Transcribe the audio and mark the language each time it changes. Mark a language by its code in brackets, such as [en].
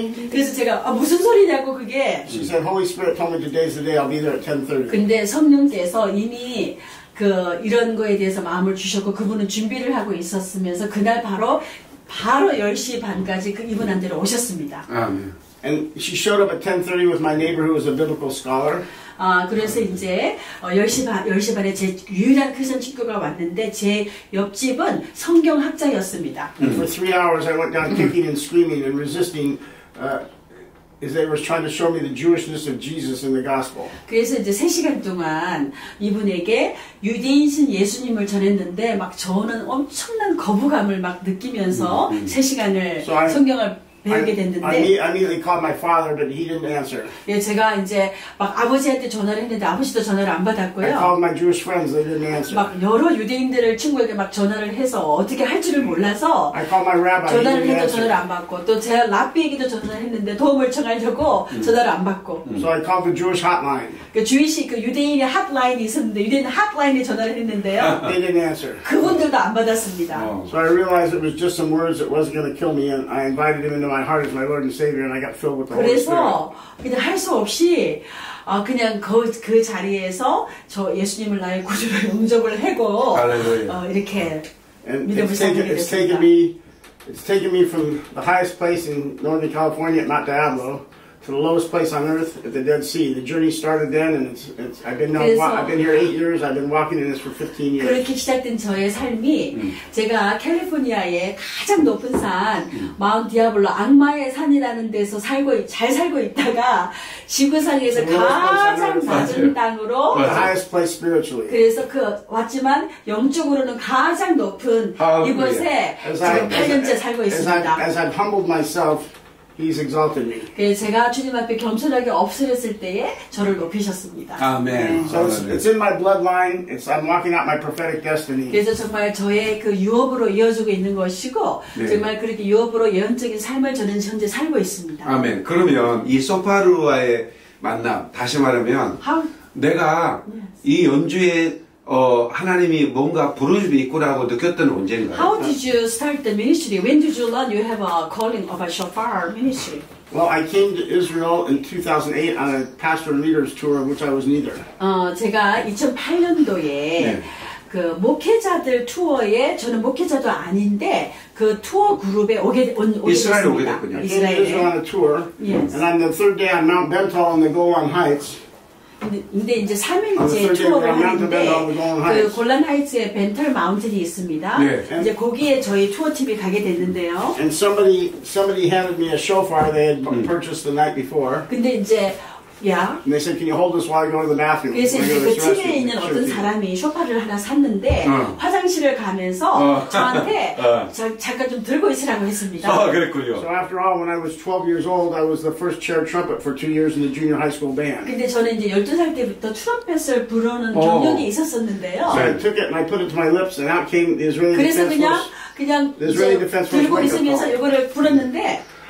[ko] 그래서 제가 무슨 소리냐고 그게 [en] She said, Holy Spirit told me today's the day I'll be there at 10:30. [ko] 근데 성령께서 이미 그 이런 거에 대해서 마음을 주셨고 그분은 준비를 하고 있었으면서 그날 바로 10시 반까지 그 이분한테 오셨습니다. [en] And she showed up at 10:30 with my neighbor who was a biblical scholar. [ko] 그래서 이제 10시 반에 제 유일한 크리스천 친구가 왔는데 제 옆집은 성경학자였습니다. [en] For 3 hours I went down kicking and screaming and resisting is they were trying to show me the Jewishness of Jesus in the gospel. [ko] 그래서 이제 3시간 동안 이분에게 유대인신 예수님을 전했는데 막 저는 엄청난 거부감을 막 느끼면서 3시간을 성경을 배우게 됐는데 [en] I immediately called my father but he didn't answer. [ko] 예, 제가 이제 막 아버지한테 전화를 했는데 아버지도 전화를 안 받았고요. [en] I called my Jewish friends they didn't answer. [ko] 막 여러 유대인들을 친구에게 막 전화를 해서 어떻게 할 줄을 몰라서 [en] I called my rabbi. [ko] 전화를 해도 전화를 안 받고 또 제 랍비에게도 전화를 했는데 도움을 청하려고 전화를 안 받고. [en] So I called the Jewish hotline. [ko] 그 주이시 그 유대인의 핫라인이 있었는데 유대인 핫라인에 전화를 했는데요. [en] They didn't answer. [ko] 그분들도 안 받았습니다. [en] So I realized it was just some words that wasn't going to kill me and I invited him into my heart as my Lord and Savior and I got filled with the Holy Spirit. [ko] 그냥 할 수 없이 그냥 그 자리에서 저 예수님을 나의 구주로 영접을 하고 이렇게 믿음을 생기게 됐습니다. [en] It's taken me from the highest place in Northern California at Mount Diablo to the lowest place on earth at the Dead Sea. The journey started then and I've been here 8 years. I've been walking in this for 15 years. [ko] 그렇게 시작된 저의 삶이 제가 캘리포니아의 가장 높은 산 마운트 디아블로 악마의 산이라는 데서 살고 잘 살고 있다가 지구상에서 가장 낮은 땅으로 그래서 그 왔지만 영적으로는 가장 높은 이곳에 지금 8년째 살고 있습니다. [en] As I've humbled myself He's exalted me. [ko] 그 제가 주님 앞에 겸손하게 엎드렸을 때에 저를 높이셨습니다. [en] Amen. So it's in my bloodline. I'm walking out my prophetic destiny. [ko] 그래서 정말 저의 그 유업으로 이어지고 있는 것이고 네. 정말 그렇게 유업으로 예언적인 삶을 저는 현재 살고 있습니다. [en] Amen. [ko] 그러면 이 소파루와의 만남 다시 말하면 내가 이 연주에 하나님이 뭔가 부르심이 있구라고 느꼈던 언젠가요? [en] How did you start the ministry? When did you learn you have a calling of a shofar ministry? Well, I came to Israel in 2008 on a pastor and leaders tour, which I was neither. [ko] 제가 2008년도에 네. 그 목회자들 투어에 저는 목회자도 아닌데 그 투어 그룹에 오게 됐습니다. 이스라엘 오게 됐군요. [en] 이스라엘. Israel on a tour. Yes. And on the third day on Mount Bentol on the Golan Heights. [ko] 근데 이제 3일째 투어를 하는데 그 골란 하이츠에 벤털 마운틴이 있습니다. 네. 이제 거기에 저희 투어 팀이 가게 됐는데요. [en] And somebody handed me a shofar they had purchased the night before. [ko] 근데 이제 Yeah. [en] And they said, "Can you hold this while I go to the bathroom?" [ko] 그래서 그 팀에 있는 어떤 사람이 쇼파를 하나 샀는데 화장실을 가면서 저한테 잠깐 좀 들고 있으라고 했습니다. 아, 그랬군요. [en] So after all, when I was 12 years old, I was the first chair trumpet for 2 years in the junior high school band. [ko] 근데 저는 이제 12살 때부터 트럼펫을 부르는 경력이 있었었는데요. [en] So I took it and I put it to my lips, and out came the Israeli defense force. [ko] 그래서 그냥 들고 있으면서 이거를 불었는데.